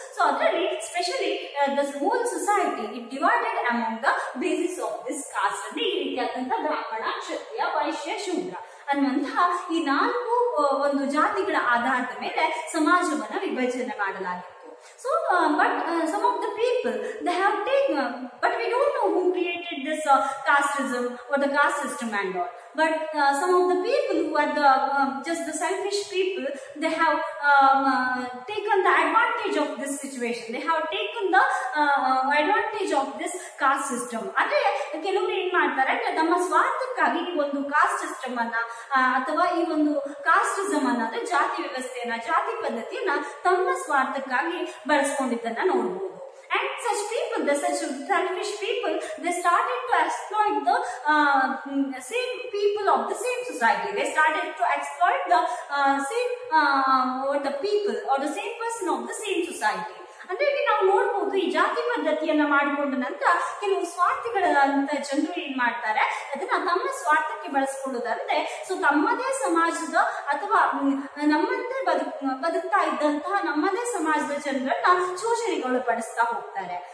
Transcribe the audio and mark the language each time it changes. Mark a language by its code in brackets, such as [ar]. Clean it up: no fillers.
[kn] So adralli [en] especially this whole society it divided among the basis of this caste and [kn] ee rithiyadanta brahmana kshatriya vaishya shudra ಅನ್ನುವಂತಹ ಈ ನಾಲ್ಕು ಒಂದು ಜಾತಿಗಳ ಆಧಾರದ ಮೇಲೆ ಸಮಾಜವನ್ನು ವಿಭಜನೆ ಮಾಡಲಾಗಿತ್ತು. [en] So but some of the people they have taken but we don't know who created this casteism or the caste system and all but some of the people who are the just the selfish people they have taken the advantage of this situation they have taken the advantage of this caste system. [kn] ಅದೇ ಕೆಲವರು ಏನ್ ಮಾಡ್ತಾರೆ ಅಂದ್ರೆ ತಮ್ಮ ಸ್ವಾರ್ಥಕ್ಕಾಗಿ ಈ ಒಂದು caste system ಅನ್ನ ಅಥವಾ ಈ ಒಂದು ಕಾಸ್ಟಿಸಮ್ ಅನ್ನ ಅಂದ್ರೆ ಜಾತಿ ವ್ಯವಸ್ಥೆಯನ್ನ ಜಾತಿ ಪದ್ಧತಿಯನ್ನ ತಮ್ಮ ಸ್ವಾರ್ಥಕ್ಕಾಗಿ ಬಳಸ್ಕೊಂಡಿದ್ದನ್ನ ನೋಡಬಹುದು. [en] And such people, the such selfish people, they started to exploit the same people of the same society. They started to exploit the same people or the same person of the same society. [kn] ಅಂದ್ರೆ ಇಲ್ಲಿ ನಾವು ನೋಡ್ಬೋದು ಈ ಜಾತಿ ಪದ್ಧತಿಯನ್ನ ಮಾಡಿಕೊಂಡ ನಂತರ ಕೆಲವು ಸ್ವಾರ್ಥಿಗಳಾದಂತ ಜನರು ಏನ್ ಮಾಡ್ತಾರೆ ಅದನ್ನ ತಮ್ಮ ಸ್ವಾರ್ಥಕ್ಕೆ ಬಳಸ್ಕೊಳ್ಳುವುದಂತೆ. ಸೊ ತಮ್ಮದೇ ಸಮಾಜದ ಅಥವಾ ನಮ್ಮಂತೆ ಬದುಕ್ತಾ ಇದ್ದಂತಹ ನಮ್ಮದೇ ಸಮಾಜದ ಜನರನ್ನ ಶೋಷಣೆಗೊಳಪಡಿಸ್ತಾ ಹೋಗ್ತಾರೆ.